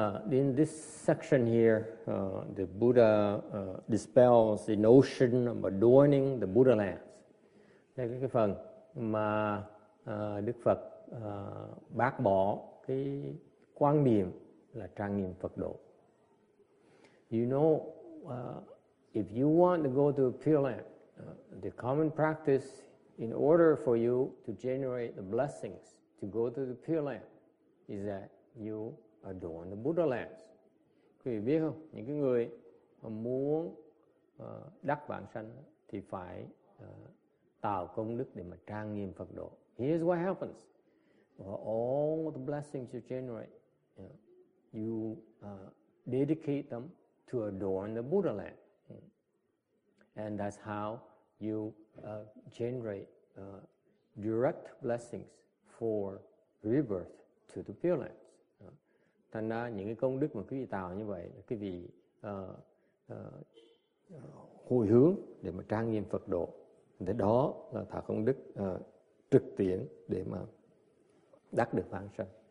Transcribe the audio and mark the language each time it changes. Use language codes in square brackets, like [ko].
[en] In this section here, the Buddha dispels the notion of adorning the Buddha lands. [vi] Đây là cái phần mà Đức Phật bác bỏ cái quan điểm là trang nghiêm Phật độ. [en] You know, if you want to go to a Pure Land, the common practice, in order for you to generate the blessings to go to the Pure Land, is that you adorn the Buddha lands. [vi] Quý vị biết không, những cái người muốn đắc vãng sanh thì phải tạo công đức để mà trang nghiêm Phật độ. [en] Here's what happens. All the blessings you generate, you dedicate them to adorn the Buddha land. And that's how you generate direct blessings for rebirth to the Pure Lands. [vi] Thành ra những cái công đức mà quý vị tạo như vậy, quý vị hồi hướng để mà trang nghiêm Phật độ. Thế đó là tạo công đức trực tiễn để mà đắc được vãng sanh.